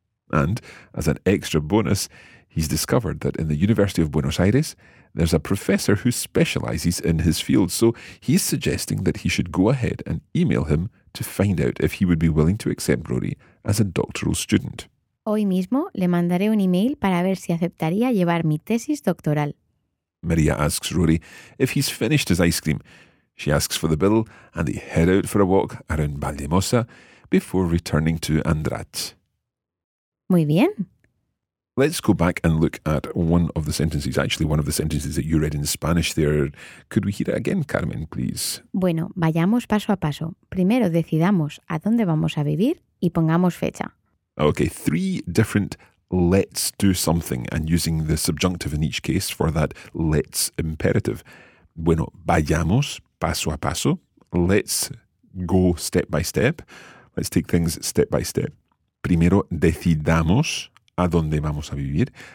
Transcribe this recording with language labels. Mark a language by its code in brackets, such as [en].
[en] And, as an extra bonus, he's discovered that in the University of Buenos Aires, there's a professor who specialises in his field, so he's suggesting that he should go ahead and email him to find out if he would be willing to accept Rory as a doctoral student. [es] Hoy mismo le mandaré un email para ver si aceptaría llevar mi tesis doctoral. [en] María asks Rory if he's finished his ice cream. She asks for the bill and they head out for a walk around Valldemossa before returning to Andrat. [es] Muy bien. [en] Let's go back and look at one of the sentences, actually one of the sentences that you read in Spanish there. Could we hear it again, Carmen, please? [es] Bueno, vayamos paso a paso. Primero decidamos a dónde vamos a vivir y pongamos fecha. [en] Okay, three different let's do something and using the subjunctive in each case for that let's imperative. [es] Bueno, vayamos paso a paso. [en] Let's go step by step. Let's take things step by step. [es] Primero decidamos a dónde vamos a vivir.